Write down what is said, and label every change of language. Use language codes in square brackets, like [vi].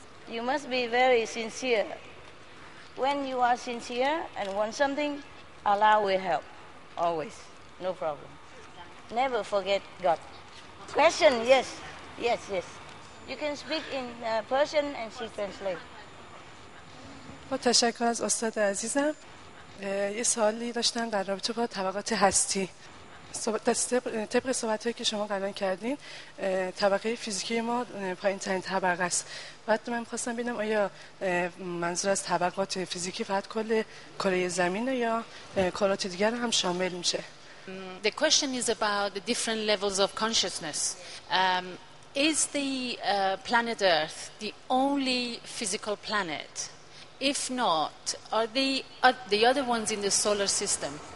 [en] You must be very sincere. When you are sincere and want something, Allah will help. Always. No problem. Never forget God. Question? Yes. Yes, yes. You can speak in Persian and she translates. [fa] با تشکر از استاد عزیزم یه سوالی داشتم در رابطه با طبقات هستی طبق صحبتهایی که شما قبلن کردین طبقه فیزیکی ما پایین ترین طبقه است بعد من میخواستم ببینم آیا منظور از طبقات فیزیکی فقط کل کره زمینه یا کرات دیگر هم شامل میشه [en] The question is about the different levels of consciousness Is the planet Earth the only physical planet? If not, are the other ones in the solar system?